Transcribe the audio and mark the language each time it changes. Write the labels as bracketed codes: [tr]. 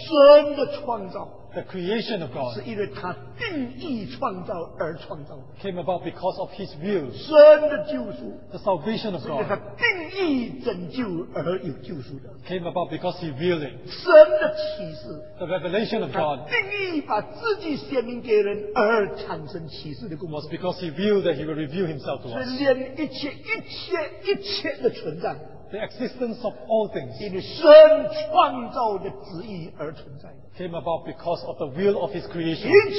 [zh] 神的创造。 [en] The creation of God [zh] 是因为他定义创造而创造, [en] came about because of His will. [zh] 神的救赎, [en] the salvation of God [zh] 是因为他定义拯救而有救赎的, [en] came about because He willed it. [zh] 神的启示, [en] the revelation of God [zh] 是因为他定义把自己显明给人而产生启示的功能, [en] was because He willed that He would reveal Himself to us. [zh] 是连一切的存在, [en] the existence of all things [zh] 因为神创造的旨意而存在, [en] came about because of the will of His creation.